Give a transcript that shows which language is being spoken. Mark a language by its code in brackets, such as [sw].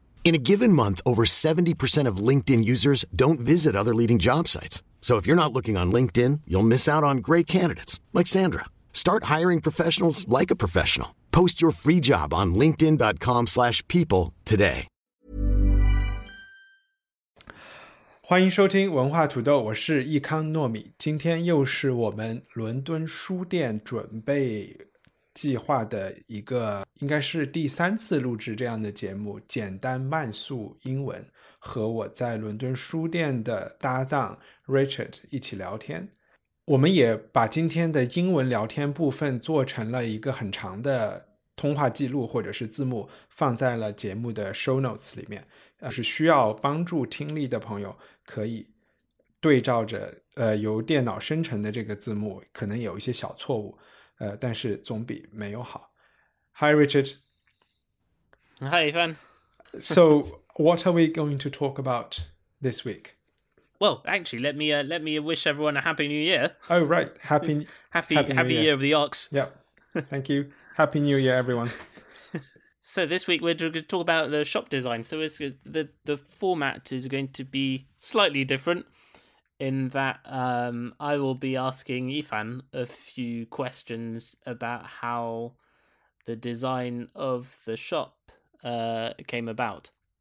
[en] In a given month, over 70% of LinkedIn users don't visit other leading job sites. So if you're not looking on LinkedIn, you'll miss out on great candidates, like Sandra. Start hiring professionals like a professional. Post your free job on linkedin.com/people today. [zh] 欢迎收听文化土豆，我是易康糯米。今天又是我们伦敦书店准备计划的一个，应该是第三次录制这样的节目，简单慢速英文，和我在伦敦书店的搭档 Richard 一起聊天。我们也把今天的英文聊天部分做成了一个很长的通话记录或者是字幕，放在了节目的 show notes 里面，是需要帮助听力的朋友可以对照着由电脑生成的这个字幕，可能有一些小错误，但是总比没有好。 [en] Hi Richard. Hi Ivan. So what are we going to talk about this week? Well, actually, let me wish everyone a Happy New Year. Oh, right. Happy New Year of the Ox. Yep. Thank you. Happy New Year, everyone. So this week we're going to talk about the shop design. So it's, the format is going to be slightly different in that I will be asking Ifan a few questions about how the design of the shop came about.